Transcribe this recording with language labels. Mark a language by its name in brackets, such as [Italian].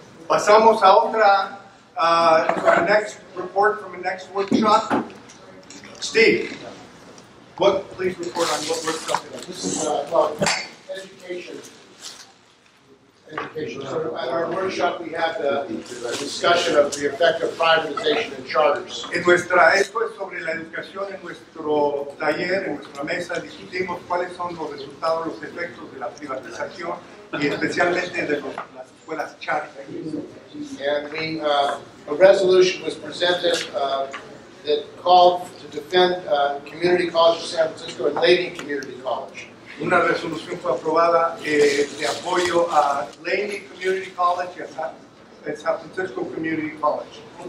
[Spanish] Pasamos a otra, [English] our next report from the next workshop. Steve, what, please report on what workshop is. This is about education. So at our workshop, we had a discussion of the effect of privatization in charters. [Spanish] En nuestra, esto es sobre la educación, en nuestro taller, en nuestra mesa, discutimos cuáles son los resultados, los efectos de la privatización, y especialmente de las escuelas charter. [English] And we, a resolution was presented that called to defend Community College of San Francisco and Lady Community College. [Spanish] Una resolución fue aprobada de apoyo a Laney Community College y a San Francisco Community College.